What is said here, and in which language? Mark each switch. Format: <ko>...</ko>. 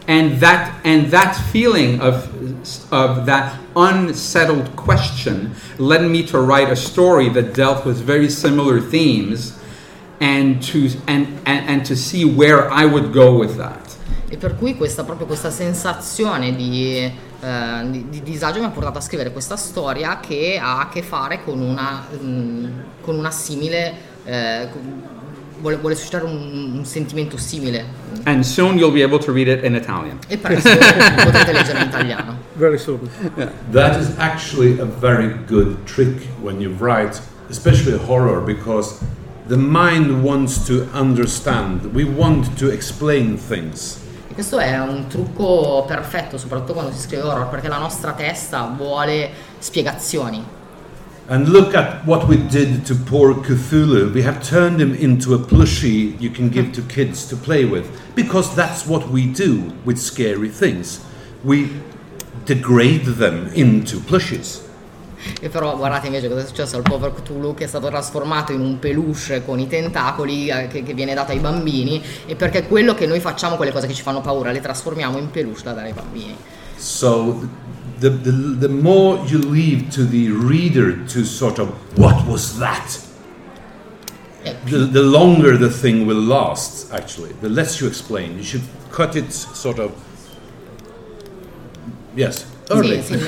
<en>And that feeling of that unsettled question led me to write a story that dealt with very similar themes and to see where I would go with that.</en> <it>E per cui questa sensazione di disagio mi ha portato a scrivere questa storia che ha a che fare con una simile vuole suscitare un sentimento simile.</it> <en>And soon you'll be able to read it in Italian.</en> <it>E presto potrete leggere in italiano.</it> <en>Very soon. Yeah. That is actually a very good trick when you write, especially horror, because the mind wants to understand. We want to explain things.</en> <it>E questo è un trucco perfetto, soprattutto quando si scrive horror, perché la nostra testa vuole spiegazioni.</it> <en>And look at what we did to poor Cthulhu. We have turned him into a plushie you can give to kids to play with. Because that's what we do with scary things. We degrade them into plushies.</en> <it>E però guardate invece cosa è successo al povero Cthulhu, che è stato trasformato in un peluche con i tentacoli che viene dato ai bambini. E perché quello che noi facciamo, quelle cose che ci fanno paura, le trasformiamo in peluche da dare ai bambini.</it> <en>So the more you leave to the reader to sort of what was that, the longer the thing will last, actually. The less you explain, you should cut it sort of, yes, early.</en>